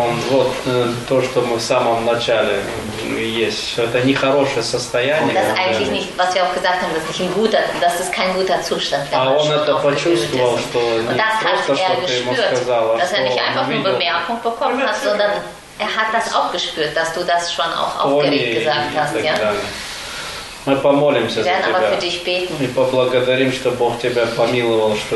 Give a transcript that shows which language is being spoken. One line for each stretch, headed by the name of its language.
Russian: Вот то, что мы в самом начале есть, что это нехорошее состояние.
German: Das eigentlich nicht, was wir auch gesagt haben, das ist kein guter Zustand.
Russian: А он это почувствовал, что не просто, что ты ему сказала,
German: dass er nicht einfach nur Bemerkung bekommen hat, sondern er hat das auch gespürt, dass du das schon auch aufgeregt gesagt hast, ja.
Russian: Мы помолимся
German: werden
Russian: за тебя
German: aber für dich beten.
Russian: И поблагодарим, что Бог тебя помиловал, что